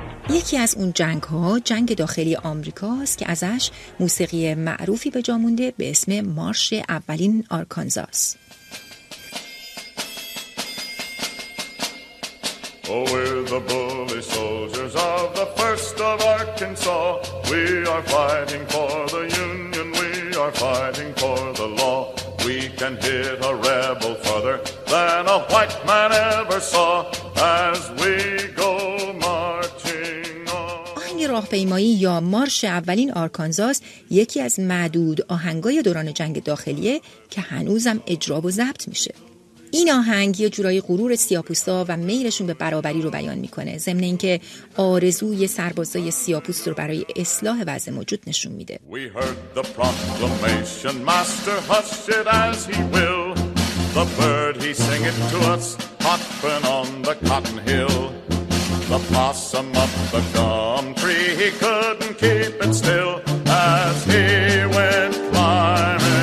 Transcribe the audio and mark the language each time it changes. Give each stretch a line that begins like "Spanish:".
Persian: یکی از اون جنگ ها جنگ داخلی آمریکاست که ازش موسیقی معروفی به جا مونده به اسم مارش اولین آرکانزاس.
English: Oh, we're the bully soldiers of the first of Arkansas. We are fighting for the Union. We are fighting for the law. We can hit a rebel further than a white man ever saw as we go marching on.
Persian: آهنگ راهپیمایی یا مارش اولین آرکانزاس یکی از معدود آهنگای دوران جنگ داخلیه که هنوزم اجرا و ضبط میشه. این آهنگ یه جورای غرور سیاپوستا و میلشون به برابری رو بیان میکنه، ضمن اینکه آرزوی سربازای سیاپوست رو برای اصلاح وضع موجود نشون میده.
English: We heard the proclamation, master hush it as he will. The bird he sing it to us, hopping on the cotton hill. The possum up the gum tree, he couldn't keep it still as he went flying.